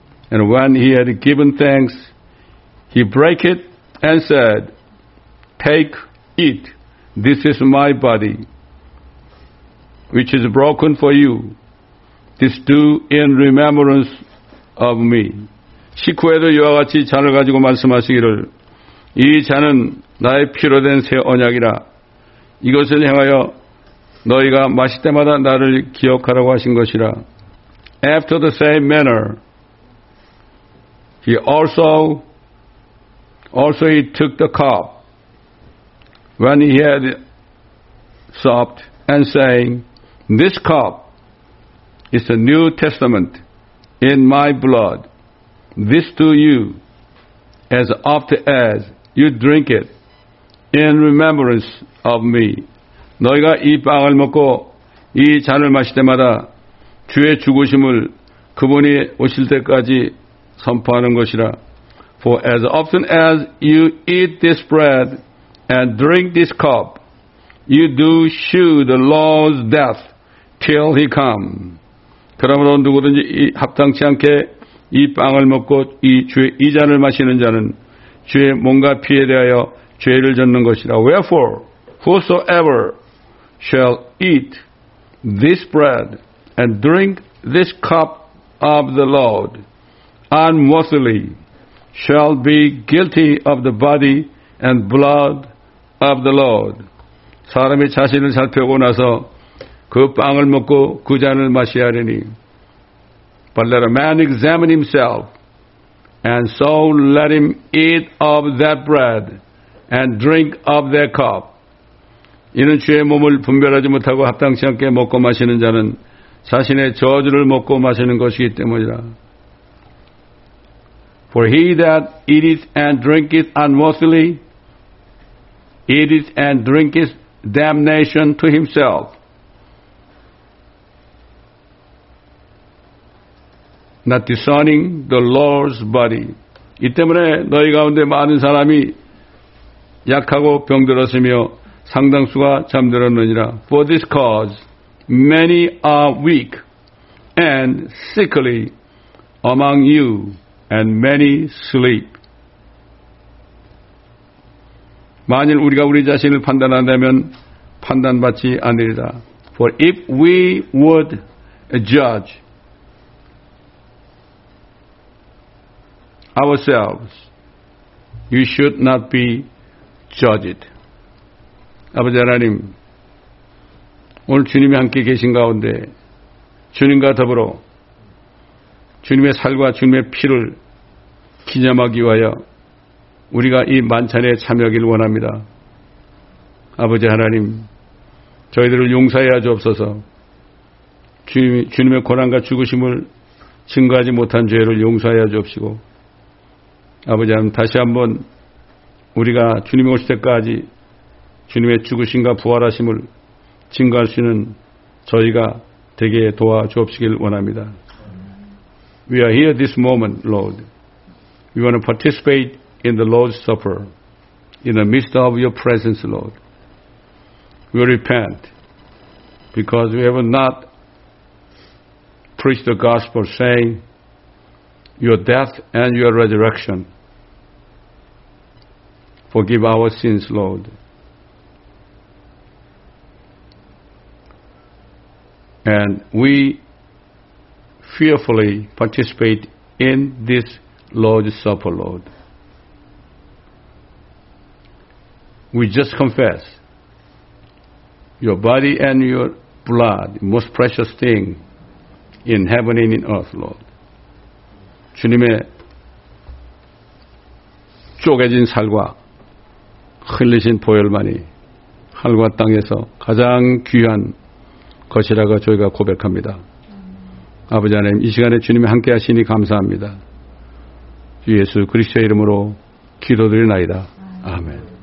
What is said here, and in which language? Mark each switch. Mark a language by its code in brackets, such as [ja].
[en] And when he had given thanks, he broke it and said, Take, eat, this is my body, which is broken for you. This do in remembrance of me. [ko] 식후에도 이와 같이 잔을 가지고 말씀하시기를 이 잔은 나의 피로 된 새 언약이라 이것을 행하여 너희가 마실 때마다 나를 기억하라고 하신 것이라. [en] After the same manner, he took the cup when he had supped and saying, This cup is the New Testament in my blood. This to you as oft as you drink it in remembrance of me. [ko] 너희가 이 빵을 먹고 이 잔을 마실 때마다 주의 죽으심을 그분이 오실 때까지 선포하는 것이라. [en] For as often as you eat this bread and drink this cup, you do shew the Lord's death till he come. [ko] 그러므로 누구든지 합당치 않게 이 빵을 먹고 이 주의 이 잔을 마시는 자는 주의 몸과 피에 대하여 죄를 짓는 것이라. [en] Wherefore, whosoever shall eat this bread and drink this cup of the Lord unworthily shall be guilty of the body and blood of the Lord. [ko] 사람이 자신을 살펴보고 나서 그 빵을 먹고 그 잔을 마시하리니. [en] But let a man examine himself, and so let him eat of that bread and drink of that cup. [ko] 이는 주의 몸을 분별하지 못하고 합당치 않게 먹고 마시는 자는 자신의 저주를 먹고 마시는 것이기 때문이라. [en] For he that eateth and drinketh unworthily, eateth and drinketh damnation to himself. 나 discerning the Lord's body. [ko] 이 때문에 너희 가운데 많은 사람이 약하고 병들었으며 상당수가 잠들었느니라. [en] For this cause, many are weak and sickly among you, and many sleep. [ko] 만일 우리가 우리 자신을 판단한다면 판단받지 않으리라. [en] For if we would judge ourselves, you should not be judged. [ko] 아버지 하나님, 오늘 주님이 함께 계신 가운데 주님과 더불어 주님의 살과 주님의 피를 기념하기 위하여 우리가 이 만찬에 참여하기를 원합니다. 아버지 하나님, 저희들을 용서해 주옵소서. 주님의 고난과 죽으심을 증거하지 못한 죄를 용서해 주옵시고 아버지 하나님, 다시 한번 우리가 주님이 오실 때까지 주님의 죽으심과 부활하심을 증거할 수 있는 저희가 되게 도와주옵시길 원합니다. [en] We are here this moment, Lord. We want to participate in the Lord's Supper in the midst of your presence, Lord. We repent because we have not preached the gospel saying your death and your resurrection. Forgive our sins, Lord. And we fearfully participate in this Lord's Supper, Lord. We just confess your body and your blood, most precious thing in heaven and in earth, Lord. [ko] 주님의 쪼개진 살과 흘리신 보혈만이 하늘과 땅에서 가장 귀한 것이라고 저희가 고백합니다. 아버지 하나님, 이 시간에 주님이 함께 하시니 감사합니다. 주 예수 그리스도의 이름으로 기도드리나이다. 아멘.